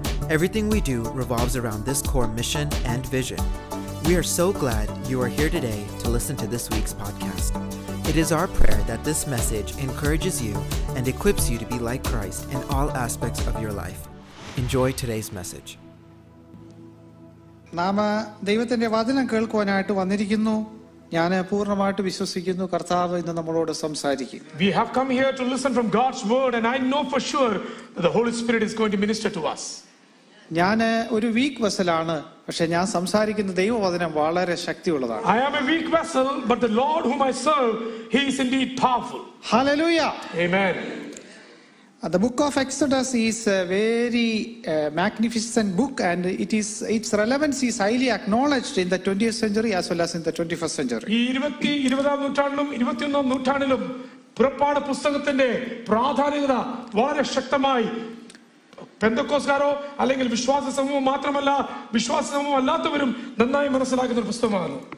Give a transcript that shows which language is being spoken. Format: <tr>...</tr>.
<en>Everything we do revolves around this core mission and vision. We are so glad you are here today to listen to this week's podcast. It is our prayer that this message encourages you and equips you to be like Christ in all aspects of your life. Enjoy today's message.</en> <ml>നാമ ദൈവത്തിന്റെ വചനം കേൾക്കുവാനായിട്ട് വന്നിരിക്കുന്നു. ഞാൻ പൂർണ്ണമായിട്ട് വിശ്വസിക്കുന്നു കർത്താവ് ഇന്ന് നമ്മളോട് സംസാരിക്കും.</ml> <en>We have come here to listen from God's word and I know for sure that the Holy Spirit is going to minister to us.</en> <ml>ഞാൻ ഒരു വീക്ക് വെസലാണ്, പക്ഷേ ഞാൻ സംസാരിക്കുന്ന ദൈവവചനം വളരെ ശക്തിയുള്ളതാണ്.</ml> <en>I am a weak vessel but the Lord whom I serve, he is indeed powerful. Hallelujah. Amen. The book of Exodus is a very magnificent book and its relevance is highly acknowledged in the 20th century as well as in the 21st century.</en> <ml>ഈ 20-ാം നൂറ്റാണ്ടിലും 21-ാം നൂറ്റാണ്ടിലും പുറപ്പാട് പുസ്തകത്തിന്റെ പ്രാധാന്യത വളരെ ശക്തമായി പെന്തക്കോസ്കാരോ അല്ലെങ്കിൽ വിശ്വാസ സമൂഹം മാത്രമല്ല വിശ്വാസ സമൂഹം അല്ലാത്തവരും നന്നായി മനസ്സിലാക്കുന്ന ഒരു പുസ്തകമാണ്.</ml>